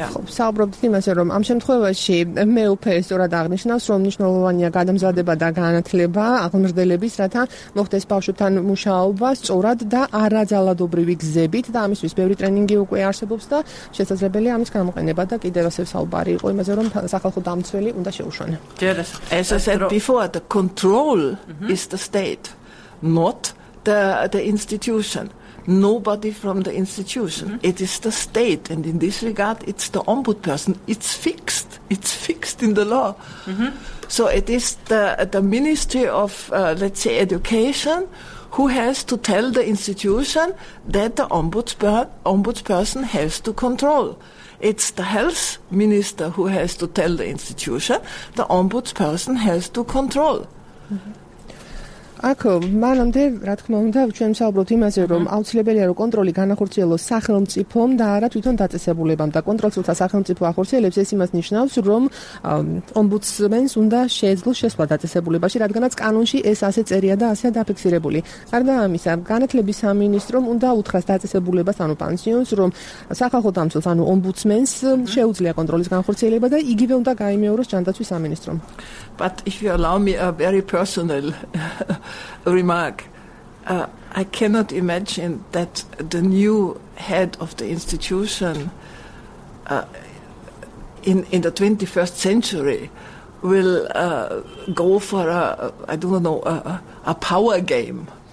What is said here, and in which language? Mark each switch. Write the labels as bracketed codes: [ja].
[ka] საუბრობთ იმაზე, რომ ამ შემთხვევაში მე უფე სწორად აღნიშნავს, რომ მნიშვნელოვანია გადამზადება და განათლება აღმზრდელების, რათა მოხდეს ბავშვებთან მუშაობა სწორად და არაძალადობრივი გზებით. და ამისთვის ბევრი ტრენინგი უკვე არსებობს და შესაძლებელია ამის გამოყენება და კიდევ ასევ საუბარი იყო იმაზე, რომ სახალხო დამცველი უნდა შეუშვან. [en] As I said before, the control is the state, not the institution. Nobody from the institution. Mm-hmm. It is the state, and in this regard, it's the ombudsperson. It's fixed. It's fixed in the law. Mm-hmm. So it is the Ministry of, let's say, Education, who has to tell the institution that the ombudsperson has to control. It's the health minister who has to tell the institution. The ombudsperson has to control. Mm-hmm. [ka] ახო, მანამდე რა თქმა უნდა, ჩვენ საუბრობთ იმაზე, რომ აუცილებელია რომ კონტროლი განახორციელოს სახელმწიფომ და არა თვითონ დაწესებულებამ და კონტროლს უცხო სახელმწიფო ახორციელებს, ეს იმას ნიშნავს, რომ ომბუდსმენს უნდა შეეძლოს შესვლა დაწესებულებაში, რადგანაც კანონში ეს ასე წერია და ასეა დაფიქსირებული. გარდა ამისა, განათლების სამინისტრომ უნდა უთხრას დაწესებულებას, ანუ პანსიონს, რომ სახალხო დამცველს, ანუ ომბუდსმენს შეუძლია კონტროლის განახორციელება და იგივე უნდა გაიმეოროს ჯანდაცვის სამინისტრომ. [en] But if you allow me a very personal remark, I cannot imagine that the new head of the institution in the 21st century will go for a power game.